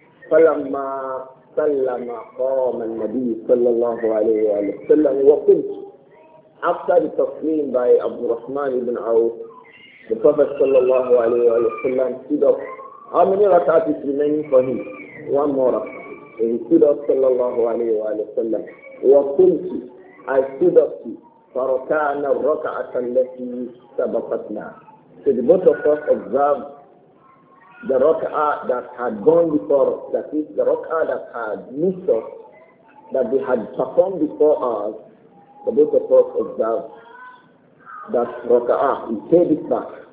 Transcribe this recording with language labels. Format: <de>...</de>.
<ar>فَلَمَّا سَلَّمَ قَوْمَ النَّبِيِّ sallallahu alayhi wa sallam وَقُلْتُ.</ar> <en>After the taslim by Abu Rahman ibn Awf, the Prophet sallallahu alayhi wa sallam stood up. How many rak'at is remaining for him? One more rak'at. And he stood up sallallahu alayhi wa sallam.</en> <ar>وَقُلْتُ.</ar> <en>I stood up to.</en> <ar>فركعنا الركعة التي سبقتنا.</ar> <en>So the both of us observed the rak'ah that had gone before, that is the rak'ah that had missed us, that they had performed before us. The both of us observed that rak'ah, we paid it back.</en>